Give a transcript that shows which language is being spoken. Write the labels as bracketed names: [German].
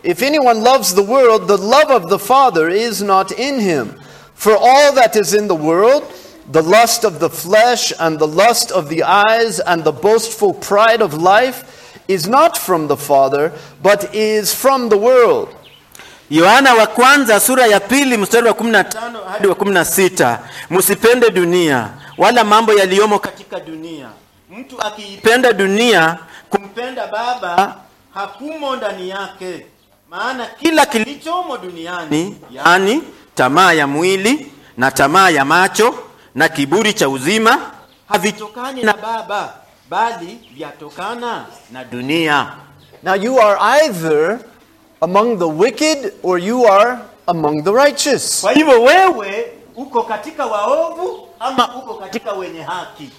[English] If anyone loves the world, the love of the Father is not in him. For all that is in the world, the lust of the flesh and the lust of the eyes and the boastful pride of life, is not from the Father, but is from the world. [Swahili] Yohana wa kwanza sura ya pili mstari wa 15 hadi wa 16. Msipende dunia wala mambo yaliyomo katika dunia. Mtu akiipenda dunia, kumpenda Baba hakumo ndani yake. Maana kila kilichomo duniani, yani tamaa ya mwili na tamaa ya macho na kiburi cha uzima, havitokani na Baba, bali vyatokana na dunia. [English] Now you are either among the wicked or you are among the righteous. [Swahili] Kwa hivyo wewe uko katika waovu ama uko katika wenye haki.